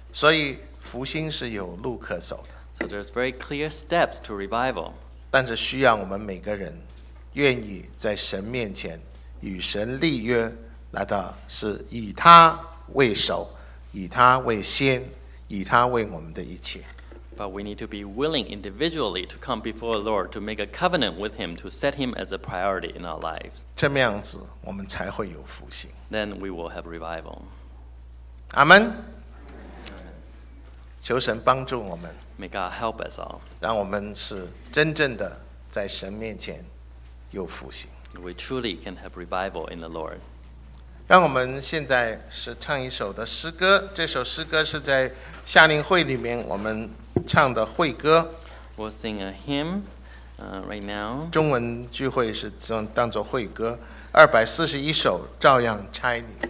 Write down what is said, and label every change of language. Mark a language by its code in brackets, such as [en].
[zh] 所以复兴是有路可走的。 [en] So there's very clear steps to revival. [zh] 但是需要我们每个人愿意在神面前与神立约，来到是以他为首，以他为先，以他为我们的一切。 [en] But we need to be willing individually to come before the Lord to make a covenant with Him to set Him as a priority in our lives. [zh] 这么样子，我们才会有复兴。 [en] Then we will have revival. [zh] 阿门。求神帮助我们。 [en] May God help us all. [zh] 让我们是真正的在神面前又复兴。 [en] We truly can have revival in the Lord. [zh] 让我们现在是唱一首的诗歌，这首诗歌是在夏令会里面我们唱的会歌。 [en] We'll sing a hymn, right now. [zh] 中文聚会是当作会歌，241首照样差你。